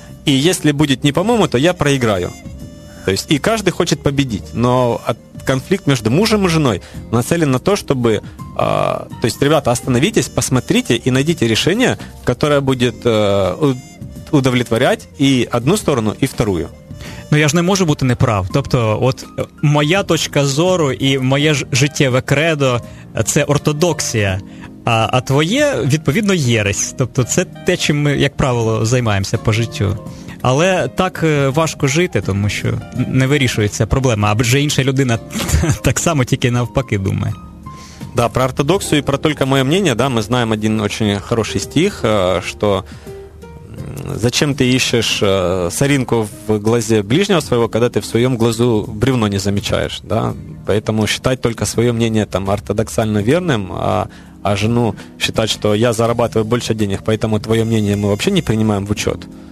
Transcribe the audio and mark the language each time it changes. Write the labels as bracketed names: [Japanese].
[Russian] И если будет не по-моему, то я проиграю. То есть и каждый хочет победить. Но конфликт между мужем и женой нацелен на то, чтобы... то есть, ребята, остановитесь, посмотрите и найдите решение, которое будет удовлетворять и одну сторону, и вторую. [Ukrainian] Ну, я ж не можу бути неправ. Тобто, от моя точка зору і моє життєве кредо – це ортодоксія, а твоє, відповідно, єресь. Тобто, це те, чим ми, як правило, займаємося по життю. Але так важко жити, тому що не вирішується проблема, а вже інша людина так само, тільки навпаки думає. Да, про ортодоксію і про тільки моє мнення, да, ми знаємо один дуже хороший стих, що... [Russian] Зачем ты ищешь соринку в глазе ближнего своего, когда ты в своем глазу бревно не замечаешь, да? Поэтому считать только свое мнение там ортодоксально верным, а жену считать, что я зарабатываю больше денег, поэтому твое мнение мы вообще не принимаем в учет.